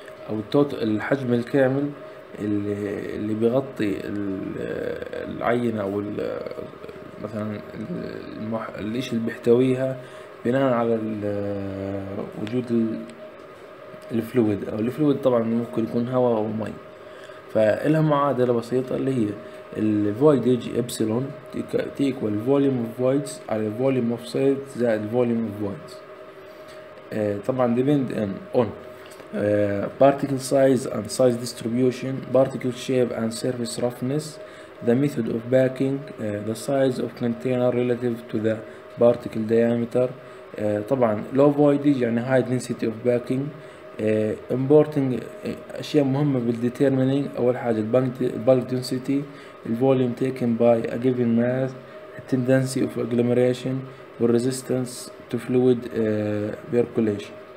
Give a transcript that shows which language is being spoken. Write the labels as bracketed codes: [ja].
[ar] او الحجم الكامل اللي بيغطي العينة او مثلا الاشي اللي بيحتويها بناء على وجود الفلويد. او الفلويد طبعا ممكن يكون هواء او مي. فإلها معادلة بسيطة اللي هي [en] ال voidage epsilon equal volume of voids على volume of solids زائد volume of voids. [ar] طبعا [en] depend on particle size and size distribution, particle shape and surface roughness, the method of packing, the size of container relative to the particle diameter. طبعا low voidage يعني high density of packing. امبورتنج اشياء مهمه بالديتيرمينينج، اول حاجه البالك دنسيتي، الفوليوم تيكن باي ا جيفن ماس، التندنسي اوف اجلوميريشن، والريزيستنس تو فلويد بيركوليشن.